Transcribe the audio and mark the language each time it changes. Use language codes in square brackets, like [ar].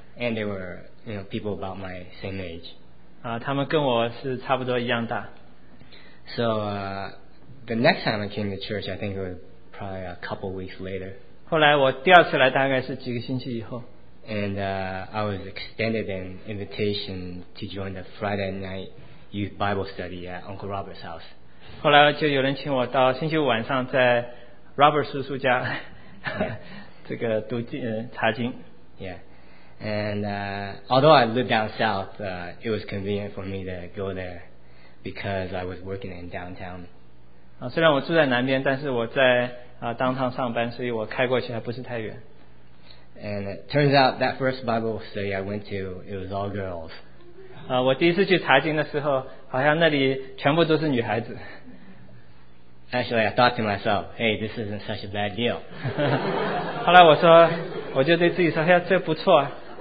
[en] And they were, people about my same age. [zh] 他们跟我是差不多一样大。 [en] So the next time I came to church, I think it was probably a couple weeks later. [zh] 后来我第二次来大概是几个星期以后。 [en] And I was extended an invitation to join the Friday night youth Bible study at Uncle Robert's house. [zh] 后来就有人请我到星期五晚上在 Robert 叔叔家这个读经查经。 [en] Yeah. And although I lived down south, it was convenient for me to go there because I was working in downtown. [zh] 虽然我住在南边，但是我在 downtown上班, 所以我开过去还不是太远。 [en] And it turns out that first Bible study I went to, it was all girls. [zh] 我第一次去查经的时候, 好像那里全部都是女孩子。 [en] Actually, I thought to myself, hey, this isn't such a bad deal. [zh] 后来我说, 我就对自己说, hey, 这不错啊。